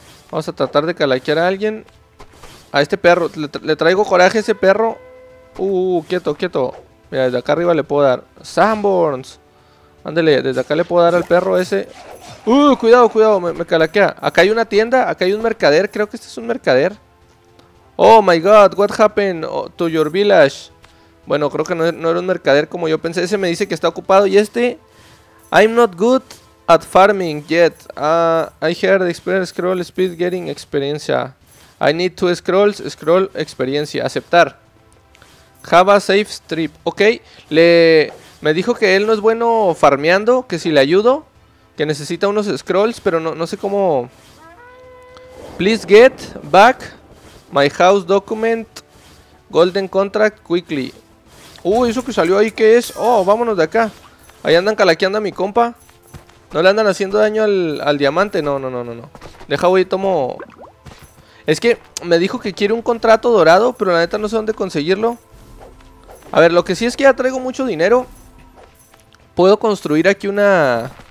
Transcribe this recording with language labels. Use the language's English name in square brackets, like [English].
[Spanish] Vamos a tratar de calaquear a alguien. A este perro. Le traigo coraje a ese perro. Quieto, quieto. Mira, desde acá arriba le puedo dar. Sanborns. Ándele, desde acá le puedo dar al perro ese. Cuidado, cuidado. Me calaquea. Acá hay una tienda. Acá hay un mercader. Creo que este es un mercader. [English] Oh my god, what happened to your village? [Spanish] Bueno, creo que no era un mercader como yo pensé. Ese me dice que está ocupado. Y este... [English] I'm not good at farming yet. I heard experience, scroll, speed, getting experiencia. I need two scrolls, scroll, experiencia. [Spanish] Aceptar. [English] Have a safe trip. Ok. [Spanish] Me dijo que él no es bueno farmeando, que si le ayudo, que necesita unos scrolls, pero no sé cómo. [English] Please get back my house document golden contract quickly. [Spanish] Eso que salió ahí, ¿qué es? Oh, vámonos de acá. Ahí andan calaqueando a mi compa. No le andan haciendo daño al diamante. No. Deja, voy y tomo. Es que me dijo que quiere un contrato dorado, pero la neta no sé dónde conseguirlo. A ver, lo que sí es que ya traigo mucho dinero. Puedo construir aquí una...